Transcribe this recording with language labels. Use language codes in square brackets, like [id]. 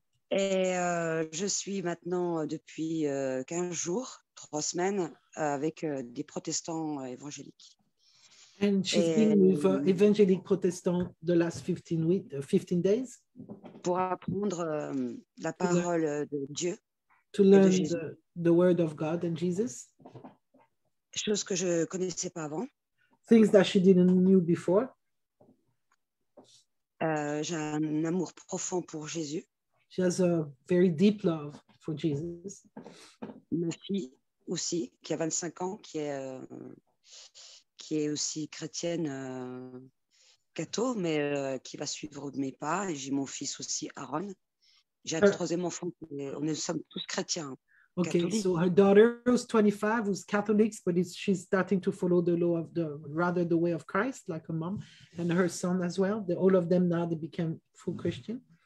[fr] Et je suis maintenant depuis 15 jours, 3 semaines, avec des protestants évangéliques. [en] And she's been with evangelic protestants the last 15 days. [fr] Pour apprendre la parole de Dieu. [en] To learn the word of God and Jesus. [fr] Choses que je ne connaissais pas avant. [en] Things that she didn't know before. [fr] J'ai un amour profond pour Jésus. [en] She has a very deep love for Jesus. [fr] Ma fille aussi, qui a 25 ans, qui est, qui est aussi chrétienne catho, mais qui va suivre mes pas. Et j'ai mon fils aussi, Aaron. J'ai un troisième enfant. Nous sommes tous chrétiens. [en] Ok, so her daughter who's 25, who's Catholic, but she's starting to follow the law of the, rather the way of Christ, like a mom, and her son as well. The, all of them now, they became full Christian.